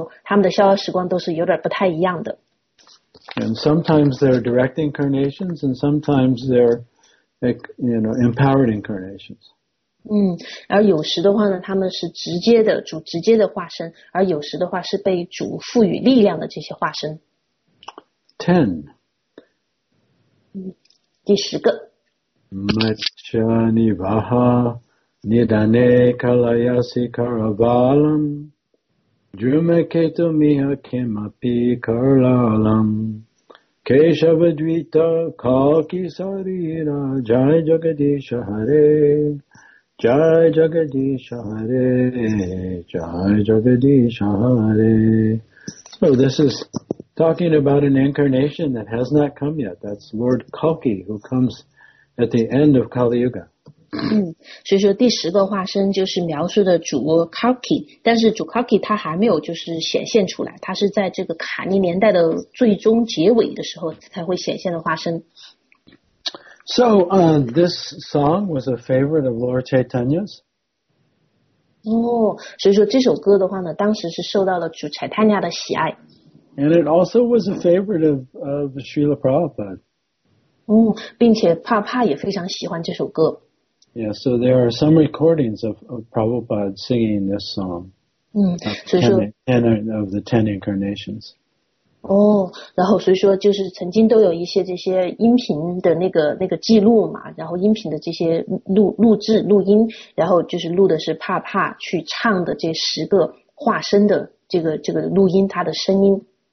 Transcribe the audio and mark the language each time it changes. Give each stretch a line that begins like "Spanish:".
Chinese: 而所有的这些化身的话呢，都会一而再，再而三的显现出来。但是每一次他们显现的时候，他们的逍遥时光都是有点不太一样的。
English: And sometimes they're direct incarnations, and sometimes they're, empowered incarnations.
Chinese: 而有时的话呢，他们是直接的主直接的化身，而有时的话是被主赋予力量的这些化身。
English: Ten.
Chinese: 第十个。
Sanskrit: Machanivaha nidane kalayasi karavalam Jumaketumiha kemapi karlalam Keshava Dvita Kalki Sarina Jai Jagadisha Hare Jai Jagadisha Hare Jai Jagadisha Hare.
English: So this is talking about an incarnation that has not come yet. That's Lord Kalki, who comes at the end of Kali Yuga.
Chinese: 所以说第十个化身就是描述的主 Kalki， 但是主 Kalki 他还没有就是显现出来，他是在这个卡尼年代的最终结尾的时候才会显现的化身。
English: So this song was a favorite of Lord Chaitanya's。
Chinese: 所以说这首歌的话呢，当时是受到了主 Chaitanya 的喜爱。
English: And it also was a favorite of Srila Prabhupada。
Chinese: 并且帕帕也非常喜欢这首歌。
English: Yeah, so there are some recordings of Prabhupada singing this song. Of the ten incarnations.
Chinese: 然后所以说就是曾经都有一些这些音频的那个记录嘛，然后音频的这些录制录音，然后就是录的是帕帕去唱的这十个化身的这个录音，他的声音。